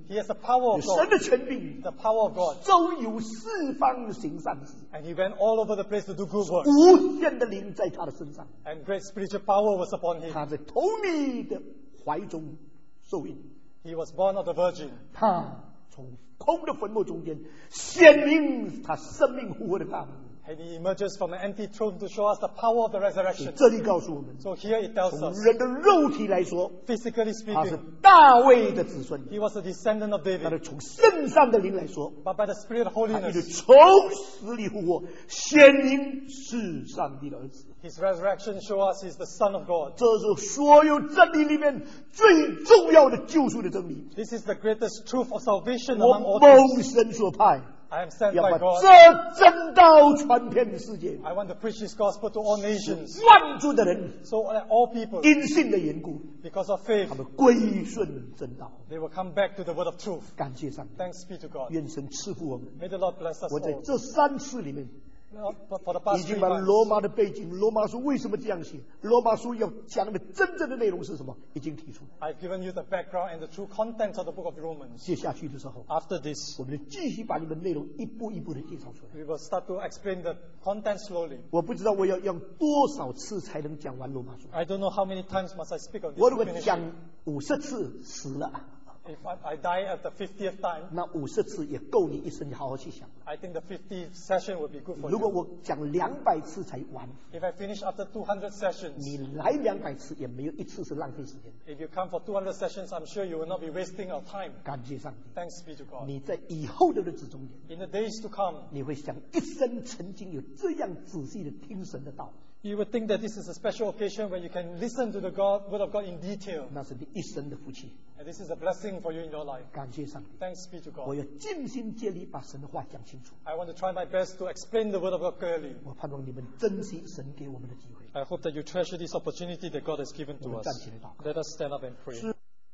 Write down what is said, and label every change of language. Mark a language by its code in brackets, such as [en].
[en] He has the power of God [zh] 有神的权柄 [en] The power of God [zh] 周游四方行善事 [en] And he went all over the place to do good work [zh] 无限的灵在他的身上 [en] And great spiritual power was upon him [zh] 他在童女的怀中受孕 [en] He was born of the virgin [zh] 他从空的坟墓中间显明他生命复活的大能 [en] And he emerges from an empty tomb to show us the power of the resurrection. [zh] 这里告诉我们 [en] so here it tells us. [zh] 从人的肉体来说 [en] physically speaking, [zh] 他是大卫的子孙。 [en] He was a descendant of David. [zh] 但是从圣上的灵来说 [en] but by the spirit of holiness, [zh] 他从死里复活，显明是上帝的儿子。 [en] His resurrection shows us he's the Son of God. [zh] 这是所有真理里面最重要的救赎的真理。 [en] This is the greatest truth of salvation among all those. [zh] 蒙神所派。 [en] I am sent by God. [zh] 要把这真道传遍世界。 [en] I want to preach this gospel to all nations. [zh] 万族的人。 [en] So all people. [zh] 因信的缘故。 [en] Because of faith. [zh] 他们归顺真道。 [en] They will come back to the word of truth. [zh] 感谢上帝。 [en] Thanks be to God. [zh] 愿神赐福我们。 [en] May the Lord bless us all. [zh] 我在这三次里面。已经把罗马的背景，罗马书为什么这样写，罗马书要讲的真正的内容是什么，已经提出。 [en] I've given you the background and the true contents of the book of Romans. [zh] 接下去的时候， [en] after this, [zh] 我们继续把你们内容一步一步的介绍出来。 [en] We will start to explain the contents slowly. [zh] 我不知道我要用多少次才能讲完罗马书。 [en] I don't know how many times must I speak of this. [zh] 我如果讲五十次，死了。 [en] If I die at the 50th time, [zh] 那五十次也够你一生好好去想。 [en] I think the 50th session would be good for you. [zh] 如果我讲两百次才完， [en] if I finish after 200 sessions, [zh] 你来两百次也没有一次是浪费时间。 [en] If you come for 200 sessions, I'm sure you will not be wasting our time. [zh] 感谢上帝。 [en] Thanks be to God. [zh] 你在以后的日子中间， [en] in the days to come, [zh] 你会想一生曾经有这样仔细的听神的道。 [en] You would think that this is a special occasion when you can listen to the God, word of God in detail. [zh] 那是你一生的福气。 [en] And this is a blessing for you in your life. [zh] 感谢上帝。 [en] Thanks be to God. [zh] 我要尽心竭力把神的话讲清楚。 [en] I want to try my best to explain the word of God clearly. [zh] 我盼望你们珍惜神给我们的机会。 [en] I hope that you treasure this opportunity that God has given to us. Let us stand up and pray.